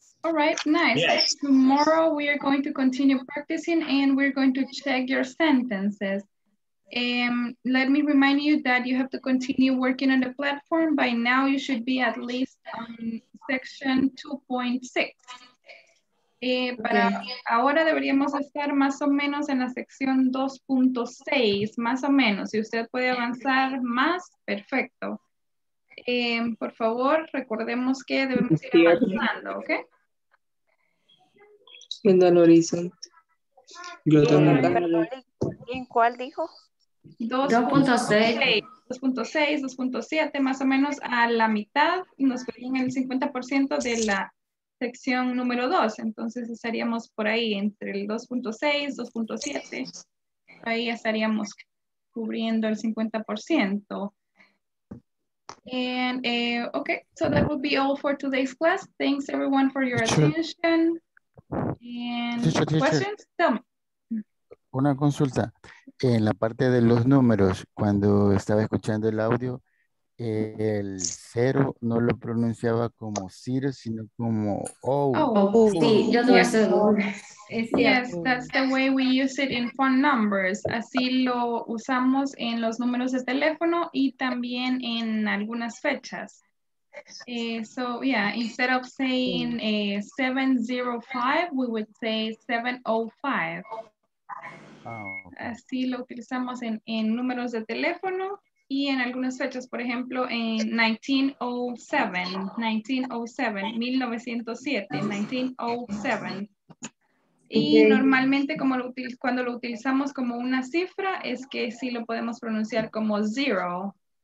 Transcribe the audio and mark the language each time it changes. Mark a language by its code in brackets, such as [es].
[en] All right, nice. Yes. Tomorrow we are going to continue practicing and we're going to check your sentences. Let me remind you that you have to continue working on the platform. By now you should be at least on section 2.6. [es] Para okay. Ahora deberíamos estar más o menos en la sección 2.6, más o menos. Si usted puede avanzar más, perfecto. Por favor, recordemos que debemos ir avanzando, ¿ok? Viendo al horizonte. Yo también. ¿En cuál dijo? 2.6, 2.7, más o menos a la mitad. Nos pedían el 50% de la sección número 2, entonces estaríamos por ahí entre el 2.6, 2.7, ahí estaríamos cubriendo el 50%. [en] And, okay, so that will be all for today's class. Thanks everyone for your attention. And questions? Tell me. [es] Una consulta. En la parte de los números, cuando estaba escuchando el audio, el cero no lo pronunciaba como zero, sino como oh. [en] Yes, that's the way we use it in phone numbers. [es] Así lo usamos en los números de teléfono y también en algunas fechas. [en] So yeah, instead of saying 705, we would say 705. Oh. [es] Así lo utilizamos en números de teléfono. Y en algunas fechas, por ejemplo, en 1907. Y normalmente como lo util, cuando lo utilizamos como una cifra, es que sí lo podemos pronunciar como zero.